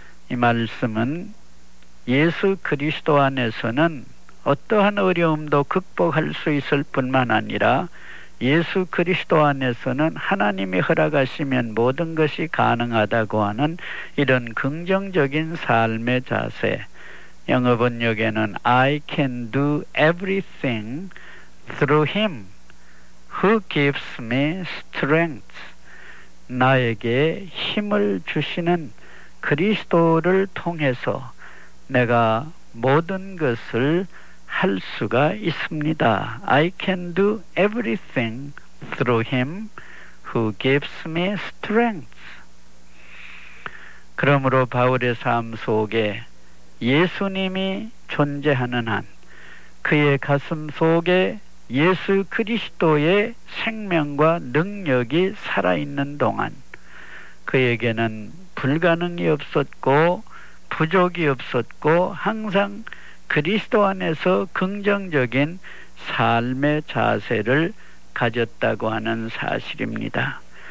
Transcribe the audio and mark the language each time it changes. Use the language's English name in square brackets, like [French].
[Korean] 이 말씀은 예수 그리스도 안에서는 어떠한 어려움도 극복할 수 있을 뿐만 아니라 예수 그리스도 안에서는 하나님이 허락하시면 모든 것이 가능하다고 하는 이런 긍정적인 삶의 자세, 영어 번역에는 [English] I can do everything through him who gives me strength, [Korean] 나에게 힘을 주시는 그리스도를 통해서 내가 모든 것을 할 수가 있습니다. [English] I can do everything through him who gives me strength. [Korean] 그러므로 바울의 삶 속에 예수님이 존재하는 한 그의 가슴 속에 예수 그리스도의 생명과 능력이 살아있는 동안 그에게는 불가능이 없었고 부족이 없었고 항상 그리스도 안에서 긍정적인 삶의 자세를 가졌다고 하는 사실입니다.